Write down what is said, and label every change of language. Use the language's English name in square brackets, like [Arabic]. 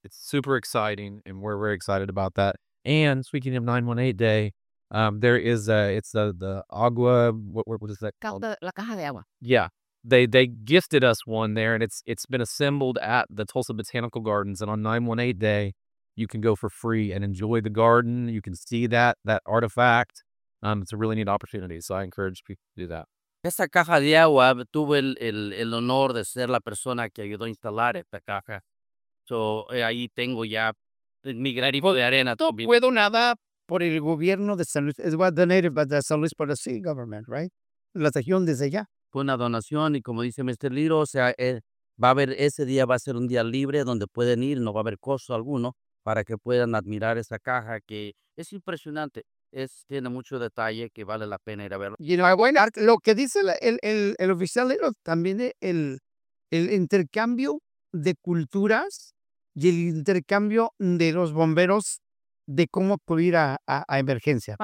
[English] It's super exciting, and we're very excited about that. And speaking of 918 day, it's the agua, what is that called? [Spanish] La caja de agua. [English] Yeah, they gifted us one there, and it's been assembled at the Tulsa Botanical Gardens. And on 918 day, you can go for free and enjoy the garden. You can see that artifact. It's a really neat opportunity, so I encourage people to do that. [Spanish] Esa caja de agua, tuve el honor de ser la persona que ayudó a instalar esta caja. So, ahí tengo ya mi granito de arena. No puedo nada por el gobierno de San Luis. [English] It was donated by the San Luis Potosí government, right? [Spanish] La región desde allá. Fue una donación, y como dice Mr. Liro, o sea, va a haber, ese día va a ser un día libre donde pueden ir, no va a haber costo alguno, para que puedan admirar esa caja que es impresionante. Tiene mucho detalle que vale la pena ir a verlo. [English] You know, [Spanish] bueno, lo que dice el oficial también es el intercambio de culturas y el intercambio de los bomberos de cómo acudir a emergencia.